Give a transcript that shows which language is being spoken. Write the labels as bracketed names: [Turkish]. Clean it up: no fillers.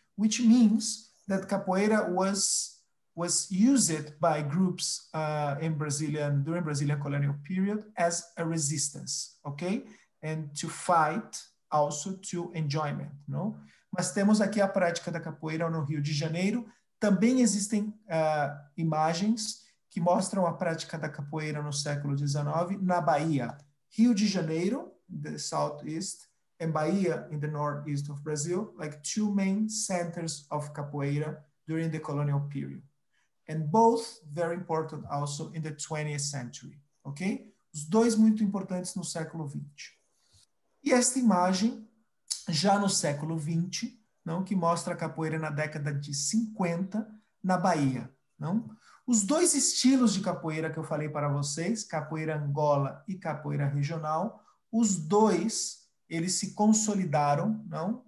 [English] Which means that capoeira was used by groups during Brazilian colonial period as a resistance, okay? And to fight also to enjoyment, no? [Portuguese] Mas temos aqui a prática da capoeira no Rio de Janeiro. Também existem imagens que mostram a prática da capoeira no século XIX na Bahia. [English] Rio de Janeiro, in the southeast, and Bahia, in the northeast of Brazil, like two main centers of capoeira during the colonial period. And both very important also in the 20th century, ok? [Portuguese] Os dois muito importantes no século XX. E esta imagem, já no século XX, não, que mostra a capoeira na década de 50, na Bahia. Não? Os dois estilos de capoeira que eu falei para vocês, capoeira Angola e capoeira regional, os dois, eles se consolidaram, não?